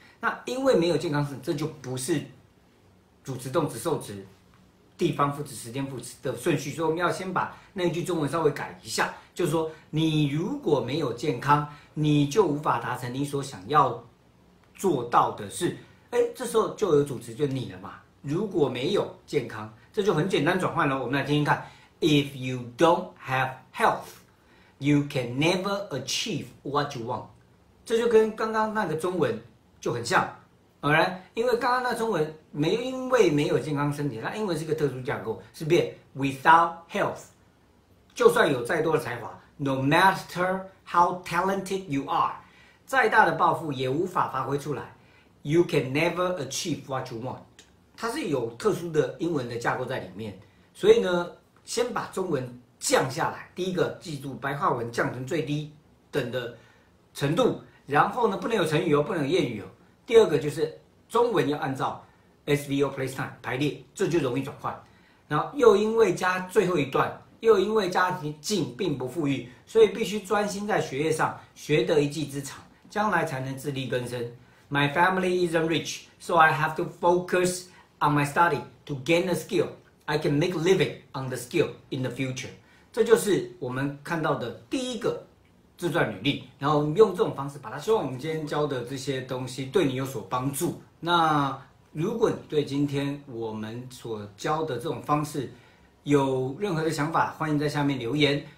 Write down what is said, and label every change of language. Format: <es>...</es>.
<zh>那因为没有健康身体，这就不是主词、动词、受词、地方副词、时间副词的顺序，所以我们要先把那句中文稍微改一下，就是说，你如果没有健康，你就无法达成你所想要做到的事。哎，这时候就有主词，就你了嘛。如果没有健康，这就很简单转换了。我们来听听看 ，</zh> <en>If you don't have health, you can never achieve what you want。</en> <zh>这就跟刚刚那个中文就很像。好啦，因为刚刚那中文没，因为没有健康身体，那英文是一个特殊架构，是变</zh> <en>without health，</en> <zh>就算有再多的才华 ，</zh> <en>no matter how talented you are，</en> <zh>再大的抱负也无法发挥出来 ，</zh> <en>you can never achieve what you want，</en> <zh>它是有特殊的英文的架构在里面，所以呢，先把中文降下来，第一个记住白话文降成最低等的程度，然后呢，不能有成语哦，不能有谚语哦。第二个就是中文要按照 SVO Playtime 排列，这就容易转换。然后又因为加最后一段，又因为家境并不富裕，所以必须专心在学业上，学得一技之长，将来才能自力更生。</zh> <en>My family isn't rich, so I have to focus on my study to gain a skill. I can make a living on the skill in the future.</en> <zh>这就是我们看到的第一个自传履历，然后用这种方式把它。希望我们今天教的这些东西对你有所帮助。那如果你对今天我们所教的这种方式有任何的想法，欢迎在下面留言。</zh>